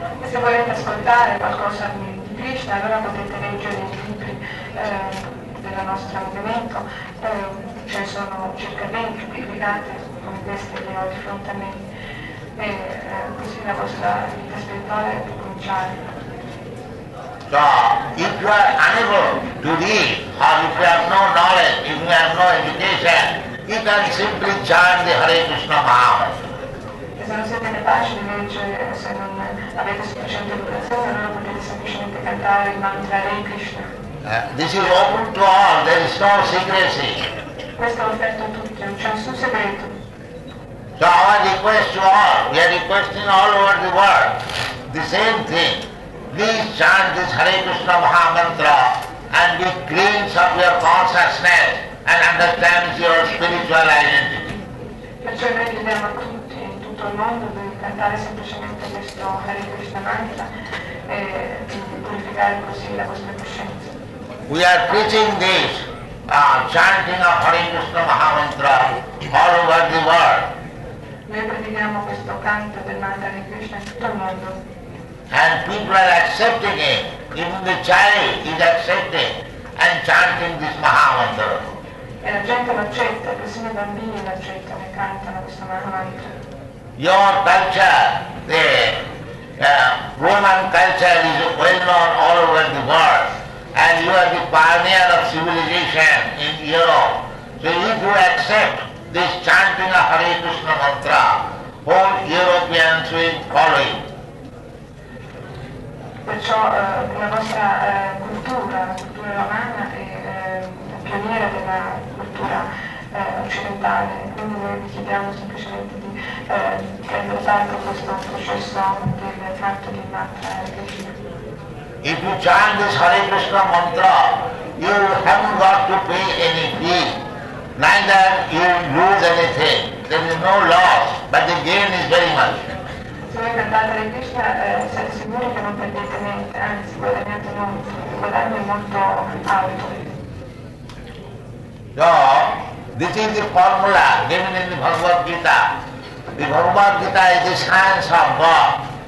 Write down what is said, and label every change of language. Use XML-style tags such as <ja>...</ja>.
<it>Se volete ascoltare qualcosa di Krishna, allora potete leggere i libri della nostra movimento. Ci sono circa 20 pubblicate come queste che ho di fronte a me, e così la vostra vita spirituale può cominciare.</it> <en>So, if you are unable to read, or if you have no knowledge, if you have no education, you can simply chant the Hare Krishna Mahamantra.</en> <it>Se non siete capaci di leggere, se non avete sufficiente educazione, non potete semplicemente cantare il mantra Hare Krishna.</it> <en>This is open to all, there is no secrecy.</en> <it>Questo è offerto a tutti, non c'è nessun segreto.</it> <en>So our request to all, we are requesting all over the world, the same thing. Please chant this Hare Krishna Maha Mantra and be cleansed of your consciousness and understand your spiritual identity.</en> <it>Perciò noi chiediamo a tutti in tutto il mondo di cantare semplicemente questo Hare Krishna Mantra e purificare così la vostra coscienza.</it> <en>We are preaching this chanting of Hare Krishna Maha Mantra all over the world.</en> <it>Noi predichiamo questo canto del mantra di Krishna in tutto il mondo.</it> <en>And people are accepting it. Even the child is accepting and chanting this Maha Mantra.</en> <it>E la gente lo accetta, persino i bambini lo accettano e cantano questo Maha Mantra.</it> <en>Your culture, the Roman culture, is well known all over the world. And you are the pioneer of civilization in Europe. So if you accept this chanting of Hare Krishna Mantra, whole Europeans will follow you.</en> <it>Perciò la vostra cultura, la cultura romana, è la pioniera della cultura occidentale. Quindi noi vi chiediamo semplicemente di prendere parte a questo processo del canto di mantra Krishna.</it> <en>If you chant this Hare Krishna mantra, you haven't got to pay any fee. Neither you lose anything. There is no loss, but the gain is very much.</en> <it>Se voi cantate Hare Krishna, siete sicuri che non perdete niente, anzi guadagnate molto, il guadagno è molto alto.</it> <en>So, this is the formula given in the Bhagavad Gita. The Bhagavad Gita is the science of God.</en>